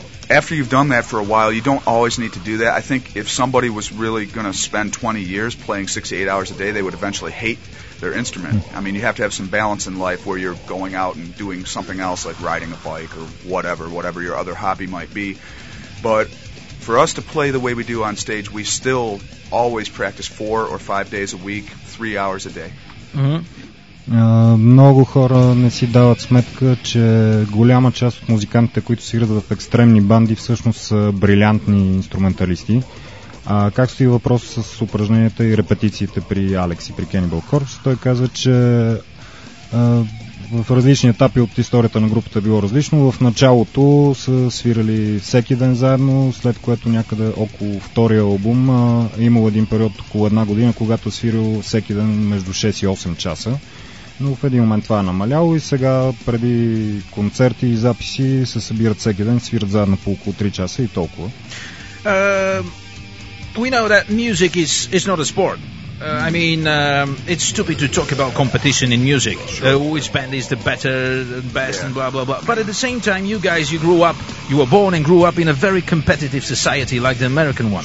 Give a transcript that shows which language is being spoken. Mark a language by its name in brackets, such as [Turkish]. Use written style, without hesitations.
[English] After you've done that for a while, you don't always need to do that. I think if somebody was really going to spend 20 years playing 6 to 8 hours a day, they would eventually hate their instrument. I mean, you have to have some balance in life where you're going out and doing something else like riding a bike or whatever your other hobby might be. But for us to play the way we do on stage, we still always practice 4 or 5 days a week, 3 hours a day. Mm-hmm. [Bulgarian] Много хора не си дават сметка, че голяма част от музикантите, които свират в екстремни банди, всъщност са брилянтни инструменталисти. Как стои въпрос с упражненията и репетициите при Алекс и при Cannibal Corpse? Той каза, че в различни етапи от историята на групата било различно. В началото са свирали всеки ден заедно, след което някъде около втория албум имало един период около една година, когато свирил всеки ден между 6 и 8 часа. Но в един момент това е намаляло и сега преди концерти и записи се събират всеки ден, свират заедно по около 3 часа и толкова. [English] We know that music is not a sport. I mean, it's stupid to talk about competition in music. Sure. Which band is the better, best, yeah. And blah, blah, blah. But at the same time, you guys, you grew up, you were born and grew up in a very competitive society like the American one.